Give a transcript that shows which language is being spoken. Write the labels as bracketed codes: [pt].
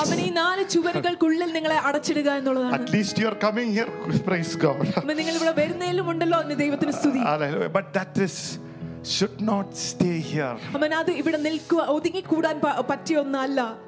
[ml] അവൻ ഈ നാല് ചുവരുകൾക്കുള്ളിൽ നിങ്ങളെ അടച്ചിടുക എന്നുള്ളതാണ്. [en] At least you are coming here, praise God. [ml] നിങ്ങൾ ഇവിടെ വരുന്നതിലും ഉണ്ടല്ലോ എന്ന് ദൈവത്തിന് സ്തുതി. [en] Hallelujah. But that is should not stay here. [ml] അവൻ അത് ഇവിടെ നിൽക്കുക ഒതുങ്ങി കൂടാൻ പറ്റിയൊന്നല്ല.